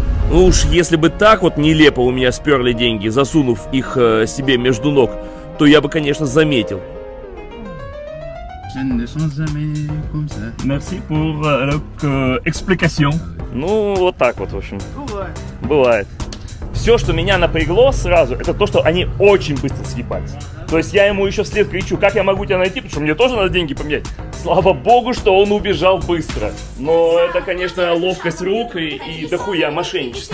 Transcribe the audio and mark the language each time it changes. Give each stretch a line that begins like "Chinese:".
Russian: Ну уж если бы так вот нелепо у меня сперли деньги, засунув их себе между ног, то я бы, конечно, заметил.
French: Merci pour l'explication.
Russian: Ну, вот так вот, в общем. Бывает. Все, что меня напрягло сразу, это то, что они очень быстро съебались. То есть я ему еще вслед кричу, как я могу тебя найти, потому что мне тоже надо деньги поменять. Слава богу, что он убежал быстро. Но это, конечно, ловкость рук и дохуя мошенничество.